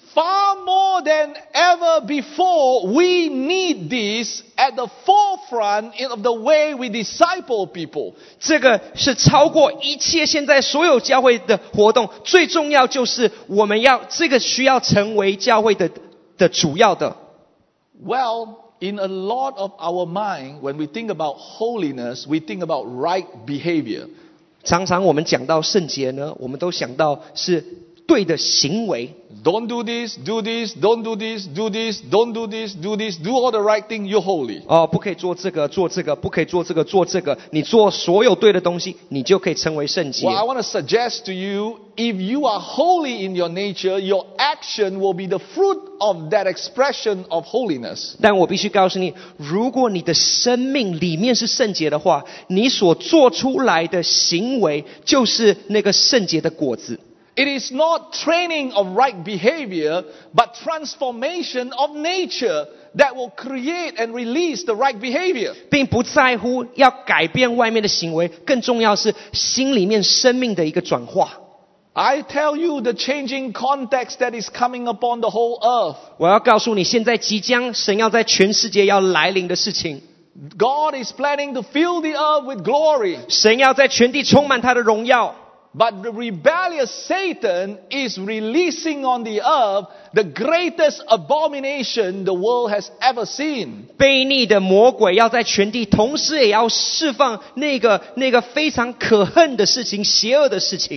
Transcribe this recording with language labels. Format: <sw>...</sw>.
<en>Far more than ever before, we need this at the forefront of the way we disciple people.</en> <zh>这个是超过一切现在所有教会的活动，最重要就是我们要，这个需要成为教会的主要的。</zh> <en>Well,In a lot of our mind, when we think about holiness, we think about right behavior.</en> <zh>常常我们讲到圣洁呢，我们都想到是对的行为。</zh> <en>Don't do this, do this, don't do this, do this, don't do this, do this, do all the right thing, you're holy.</en> <zh>哦，不可以做这个，做这个，不可以做这个，做这个。你做所有对的东西，你就可以成为圣洁。</zh> <en>Well, I want to suggest to you, if you are holy in your nature, your action will be the fruit of that expression of holiness.</en> <zh>但我必须告诉你，如果你的生命里面是圣洁的话，你所做出来的行为就是那个圣洁的果子。</zh> <en>It is not training of right behavior, but transformation of nature that will create and release the right behavior.</en> <zh>并不在乎要改变外面的行为，更重要是心里面生命的一个转化。</zh> <en>I tell you the changing context that is coming upon the whole earth.</en> <zh>我要告诉你，现在即将神要在全世界要来临的事情。</zh> <en>God is planning to fill the earth with glory.</en> <zh>神要在全地充满祂的荣耀。</zh> <en>But the rebellious Satan is releasing on the earth the greatest abomination the world has ever seen.</en> <zh>悖逆的魔鬼要在全地，同时也要释放那个非常可恨的事情，邪恶的事情。</zh>